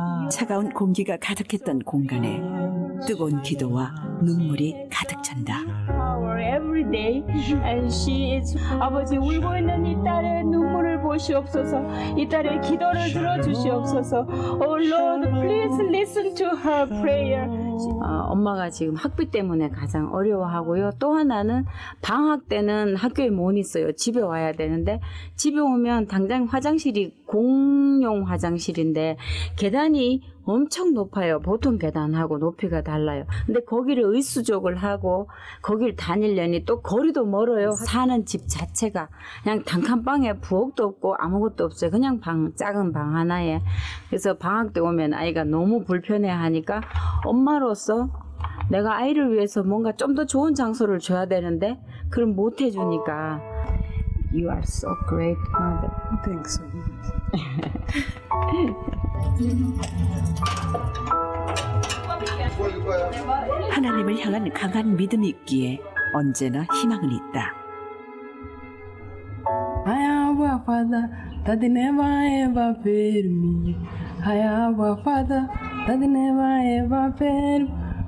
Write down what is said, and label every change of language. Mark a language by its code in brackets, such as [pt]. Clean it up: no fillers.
[ko] 차가운 공기가 가득했던 공간에 뜨거운 기도와 눈물이 가득 찬다. [en] Every day, and she is [ko] 아버지 울고 있는 이 딸의 눈물을 보시옵소서. 이 딸의 기도를 들어주시옵소서. [en] Oh Lord, please listen to her prayer. [ko] 엄마가 지금 학비 때문에 가장 어려워하고요. 또 하나는 방학 때는 학교에 못 있어요. 집에 와야 되는데 집에 오면 당장 화장실이 공용 화장실인데 계단이 엄청 높아요. 보통 계단하고 높이가 달라요. 근데 거기를 의수족을 하고 거길 다니려니 또 거리도 멀어요. 사는 집 자체가 그냥 단칸방에 부엌도 없고 아무것도 없어요. 그냥 방 작은 방 하나에. 그래서 방학 때 오면 아이가 너무 불편해하니까 엄마로서 내가 아이를 위해서 뭔가 좀 더 좋은 장소를 줘야 되는데 그럼 못 해주니까. [en] You are so great mother. Thanks. [ko] 하나님을 향한 강한 믿음이 있기에 언제나 희망은 있다. [en] I have a father that never ever failed me. I have a father that never ever failed me.